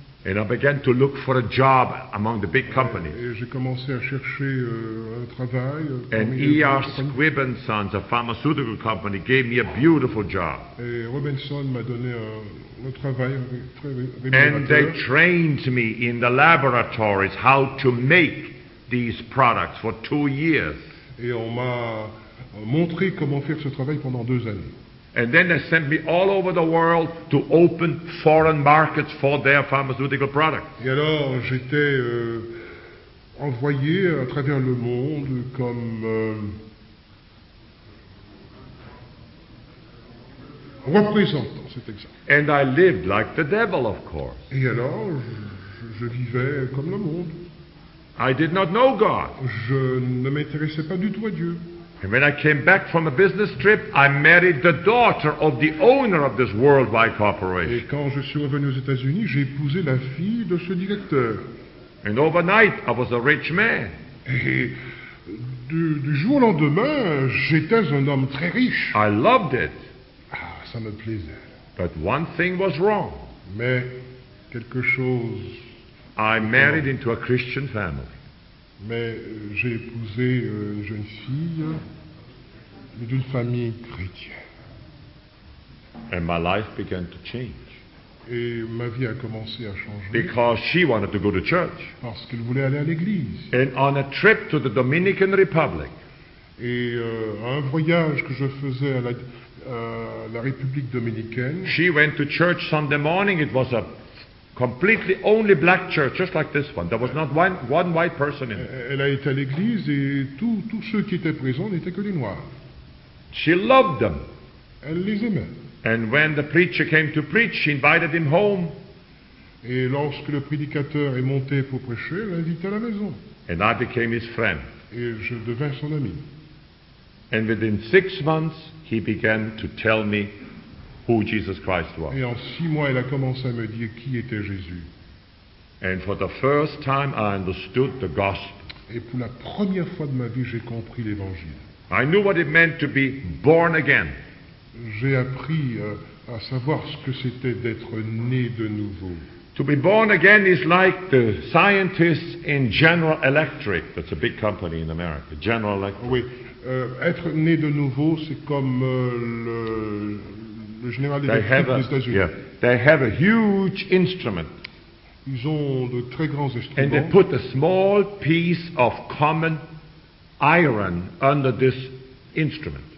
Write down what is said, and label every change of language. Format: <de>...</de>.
<en>And I began to look for a job among the big companies.</en> <fr>Et j'ai commencé à chercher un travail.</fr> <en>And E.R. Squibb and Sons, a pharmaceutical company, gave me a beautiful job.</en> <fr>Et Robinson m'a donné un travail très rémunérateur.</fr> <en>And they trained me in the laboratories how to make these products for 2 years.</en> <fr>Et on m'a montrer comment faire ce travail pendant 2 années.</fr> <en>And then they sent me all over the world to open foreign markets for their pharmaceutical products.</en> <fr>Et alors j'étais envoyé à travers le monde comme représentant, c'est exact.</fr> <en>And I lived like the devil, of course.</en> <fr>Et alors je vivais comme le monde.</fr> <en>I did not know God.</en> <fr>Je ne m'intéressais pas du tout à Dieu.</fr> <en>And when I came back from a business trip, I married the daughter of the owner of this worldwide corporation.</en> <fr>Et quand je suis revenu aux États-Unis, j'ai épousé la fille de ce directeur.</fr> <en>And overnight, I was a rich man.</en> <fr>Et du jour au lendemain, j'étais un homme très riche.</fr> <en>I loved it.</en> <fr>Ah, ça me plaisait.</fr> <en>But one thing was wrong.</en> <fr>Mais quelque chose.</fr> <en>I married into a Christian family.</en> <fr>Mais j'ai épousé une jeune fille d'une famille chrétienne.</fr> <en>And my life began to change.</en> <fr>Et ma vie a commencé à changer.</fr> <en>Because she wanted to go to church.</en> <fr>Parce qu'elle voulait aller à l'église.</fr> <en>And on a trip to the Dominican Republic.</en> <fr>Et un voyage que je faisais à la République dominicaine.</fr> <en>She went to church Sunday morning. It was a completely only black church, just like this one. There was not one white person in it.</en> <fr>Elle a été à l'église et tous ceux qui étaient présents n'étaient que des noirs.</fr> <en>She loved them.</en> <fr>Elle les aimait.</fr> <en>And when the preacher came to preach, she invited him home.</en> <fr>Et lorsque le prédicateur est monté pour prêcher, elle l'invite à la maison.</fr> <en>And I became his friend.</en> <fr>Et je devins son ami.</fr> <en>And within 6 months, he began to tell me who Jesus Christ was.</en> <fr>Et en 6 mois, elle a commencé à me dire qui était Jésus.</fr> <en>And for the first time, I understood the gospel.</en> <fr>Et pour la première fois de ma vie, j'ai compris l'évangile.</fr> <en>I knew what it meant to be born again.</en> <fr>J'ai appris à savoir ce que c'était d'être né de nouveau.</fr> <en>To be born again is like the scientists in General Electric. That's a big company in America, General Electric.</en> <fr>Oui, être né de nouveau, c'est comme le General Electric des États-Unis.</fr> <en>Yeah, they have a huge instrument.</en> <fr>Ils ont de très grands instruments.</fr> <en>And they put a small piece of common iron under this instrument.</en>